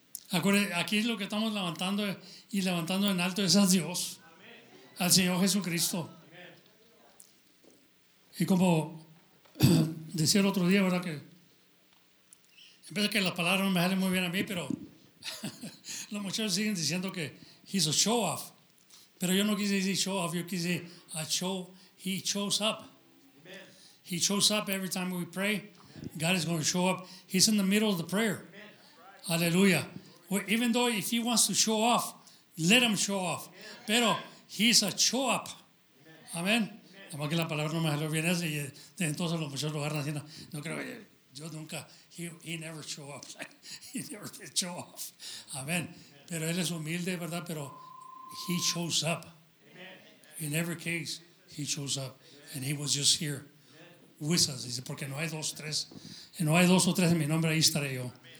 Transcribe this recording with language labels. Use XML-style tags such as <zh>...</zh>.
<es>Acuérdense, aquí lo que estamos levantando y levantando en alto es a Dios, al Señor Jesucristo. Y como decía el otro día, ¿verdad? Que en vez de que las palabras no me salen muy bien a mí, pero los muchachos siguen diciendo que</es> <en>he's a show off.</en> <es>Pero yo no quise decir show off, yo quise a show.</es> <en>He shows up. He shows up every time we pray. God is going to show up. He's in the middle of the prayer. Aleluya. Well, even though if he wants to show off, let him show off. Pero he's a show up. Amén.</en> <es>Nada más que la palabra no me salió bien esa y desde entonces los muchachos lo agarran haciendo. No creo que yo nunca,</es> <en>he never show up. He never did show off. Amén.</en> <es>Pero él es humilde, ¿verdad?</es> <en>Pero he shows up. In every case, he shows up. And he was just here with us.</en> <es>Dice, porque no hay dos, tres. No hay dos o tres en mi nombre, ahí estaré yo.</es>